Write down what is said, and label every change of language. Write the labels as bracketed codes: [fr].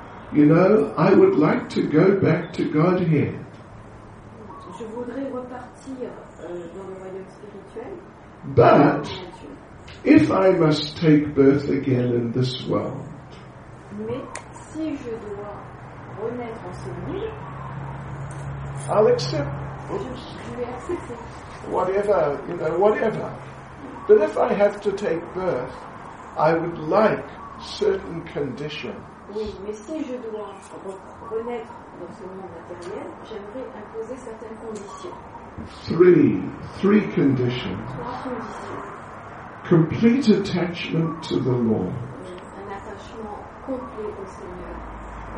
[en] You know, I would like to go back to Godhead. [fr] Je voudrais repartir dans le royaume spirituel. [en] But if I must take birth again in this world, [fr] mais si je dois renaître en ce monde, [en] I'll accept. [fr] Je vais accepter. [en] Whatever, you know, whatever. But if I have to take birth, I would like certain conditions. [fr] Oui, mais si je dois renaître dans ce monde matériel, j'aimerais imposer certaines conditions. [en] Three conditions. [fr] Trois conditions. [en] Complete attachment to the Lord. [fr] Un attachement complet au Seigneur.